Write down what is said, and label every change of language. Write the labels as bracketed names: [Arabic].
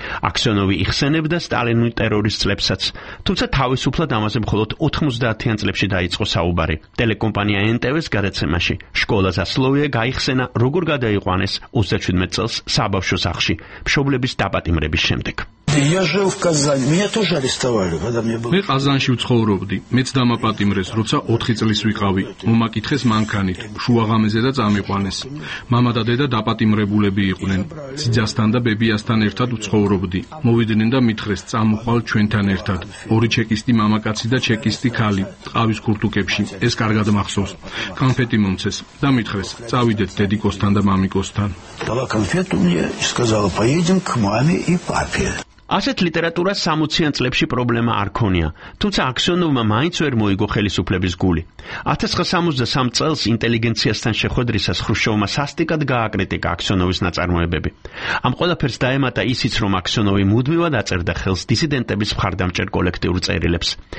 [Georgian] აქსიონოვი იხსენებდა სტალინური ტერორის წლებსაც, თუმცა თავისუფლად ამაზე მხოლოდ 90-იან წლებში დაიწყო საუბარი. ტელეკომპანია ნტვ-ს გადაცემაში „შკოლა ზასლოვია“ გაიხსენა, როგორ გადაიყვანეს 37 წელს საბავშვო სახლში. მშობლების დაპატიმრების შემდეგ. [Russian] Я жил в Казани. Меня тоже арестовали, когда мне было. Мы в [Georgian] Казанში ვცხოვრობდი. მეც დამაპატიმრეს, როცა 4 წლის ვიყავი. მომაკითხეს მანქანით, შუაღამეზე და წამიყვანეს. мама და დედა დაპატიმრებულები იყვნენ. ძიძასთან და ბებიასთან ერთად ვცხოვრობდი. მოვიდნენ და მითხრეს წამოყვალ ჩვენთან ერთად. ორი ჩეკისტი მამაკაცი და ჩეკისტი ქალი, ყავის ქურთუკებში. ეს კარგად მახსოვს. კონფეტი მომცეს და მითხრეს წავიდეთ დედიკოსთან და მამიკოსთან. [Russian] Дала конфету мне и сказала: "Поедем к маме и папе". [Georgian] ასეთ ლიტერატურას 60-იან წლებში პრობლემა არ ქონია, თუმცა აქსიონოვმა მაინც ვერ მოიგო ხელისუფლების გული. 1963 წელს ინტელიგენციასთან შეხვედრისას ხრუშოვმა სასტიკად გააკრიტიკა აქსიონოვის ნაწარმოებები. ამ ყველაფერს დაემატა ისიც, რომ აქსიონოვი მუდმივად აწერდა ხელს დისიდენტების მხარდამჭერ კოლექტიურ წერილებს.